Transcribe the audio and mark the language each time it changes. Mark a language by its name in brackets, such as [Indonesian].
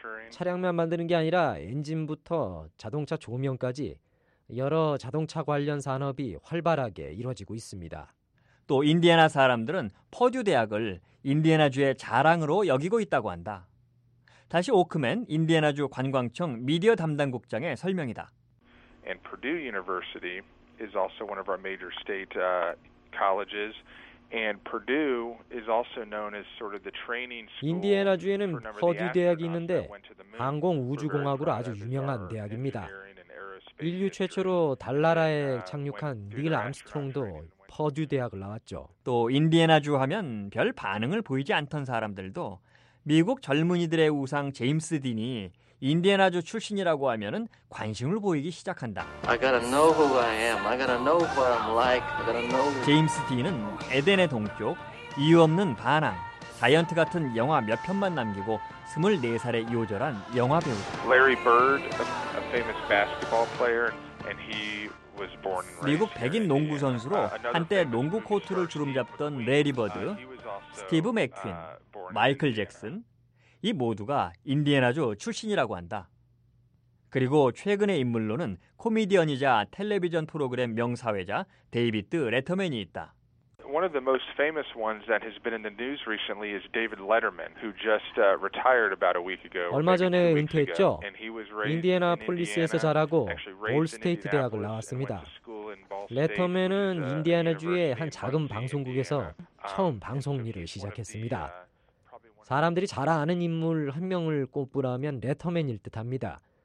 [Korean] 차량만 만드는 게 아니라 엔진부터 자동차 조명까지 여러 자동차 관련 산업이 활발하게 이루어지고 있습니다. 또 인디애나 사람들은 퍼듀 대학을 인디애나주의 자랑으로 여기고 있다고 한다. 다시 오크맨 인디애나주 관광청 미디어 담당국장의 설명이다. [English] And Purdue University is also one of our major state colleges. And Purdue is also known as sort of the training school. [Korean] 인디애나주에는 퍼듀 대학이 있는데 항공 우주공학으로 아주 유명한 대학입니다. 인류 최초로 달 나라에 착륙한 닐 암스트롱도 퍼듀 대학을 나왔죠. 또 인디애나주 하면 별 반응을 보이지 않던 사람들도 미국 젊은이들의 우상 제임스 딘이 인디애나주 출신이라고 하면은 관심을 보이기 시작한다. [English] I gotta know who I am. I gotta know what I'm like. I gotta know. [Korean] 제임스 딘은 에덴의 동쪽, 이유 없는 반항, 자이언트 같은 영화 몇 편만 남기고 24살의 요절한 영화 배우. [English] Larry Bird, a famous basketball player, and he was born. [Korean] 미국 백인 농구 선수로 한때 농구 코트를 주름잡던 레리 버드, 스티브 맥퀸, 마이클 잭슨, 이 모두가 인디애나주 출신이라고 한다. 그리고 최근의 인물로는 코미디언이자 텔레비전 프로그램 명사회자 데이비드 레터맨이 있다. [English] One of the most famous ones that has been in the news recently is David Letterman, who just retired about a week ago. [Korean] 얼마 전에 은퇴했죠. 인디애나폴리스에서 자라고 볼스테이트 대학을 나왔습니다. 레터맨은 인디애나주의 한 작은 방송국에서 처음 방송 일을 시작했습니다. 사람들이 잘 아는 인물 한 명을 꼽으라면 레터맨일 듯합니다.